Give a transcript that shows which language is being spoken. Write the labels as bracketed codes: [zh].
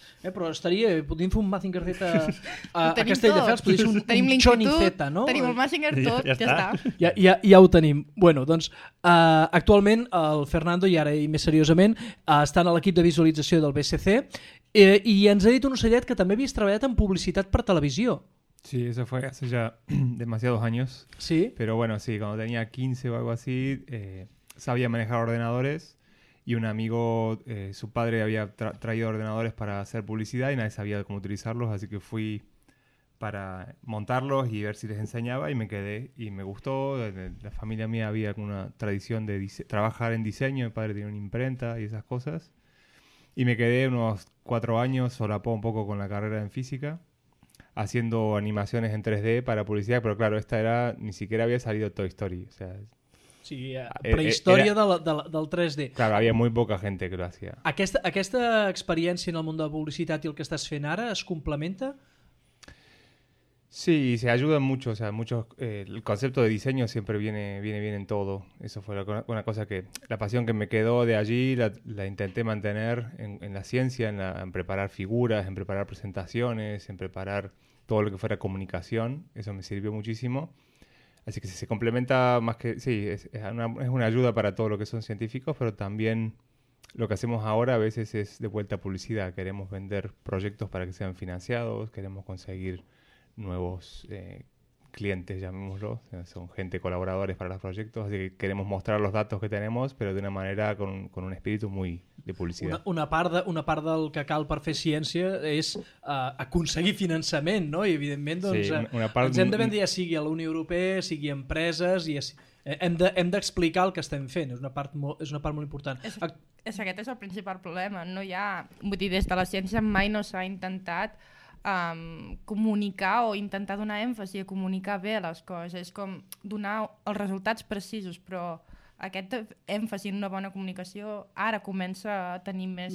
[ca] Però estaria... Podríem fer un Mazinger Z a Castelldefels. Podríem fer un Choni Z, no? Tenim el Mazinger tot, ja està. Ja ho tenim. Bueno, doncs, actualment el Fernando, i ara i més seriosament, està en l'equip de visualització del BCC, i ens ha dit un ocellet que també havies treballat en publicitat per televisió. [es] Sí, eso fue hace ya demasiados años. Sí. Pero bueno, sí, cuando tenía 15 o algo así, sabía manejar ordenadores, y un amigo, su padre había traído ordenadores para hacer publicidad y nadie sabía cómo utilizarlos, así que fui para montarlos y ver si les enseñaba, y me quedé y me gustó. La familia mía había una tradición de trabajar en diseño, mi padre tenía una imprenta y esas cosas. Y me quedé unos 4 años, solapó un poco con la carrera en física, haciendo animaciones en 3D para publicidad, pero claro, esta era, ni siquiera había salido Toy Story, o sea... [ca] Sí, prehistòria era... del 3D. Clar, havia molt poca gent que ho hacía. Aquesta experiència en el món de la publicitat i el que estàs fent ara es complementa? [es] Sí, se ayuda mucho, o sea, el concepto de diseño siempre viene bien en todo. Eso fue una cosa que, la pasión que me quedó de allí, la intenté mantener en la ciencia, en preparar figuras, en preparar presentaciones, en preparar todo lo que fuera comunicación. Eso me sirvió muchísimo. Así que se complementa más que, sí, es una ayuda para todo lo que son científicos, pero también lo que hacemos ahora a veces es de vuelta a publicidad. Queremos vender proyectos para que sean financiados, queremos conseguir nuevos clientes, llamémoslo, son gente colaboradores para los proyectos, así que queremos mostrar los datos que tenemos, pero de una manera con un espíritu muy de publicidad. [ca] Una part del que cal per fer ciència és aconseguir finançament, no? I evidentment, doncs, ens hem de vendre, ja sigui a la Unió Europea, sigui a empreses, i hem d'explicar el que estem fent, és una part molt important. És aquest és el principal problema, no hi ha, vull dir, des de la ciència mai no s'ha intentat comunicar o intentar donar èmfasi a comunicar bé les coses, és com donar els resultats precisos, però aquest èmfasi en una bona comunicació ara comença a tenir més...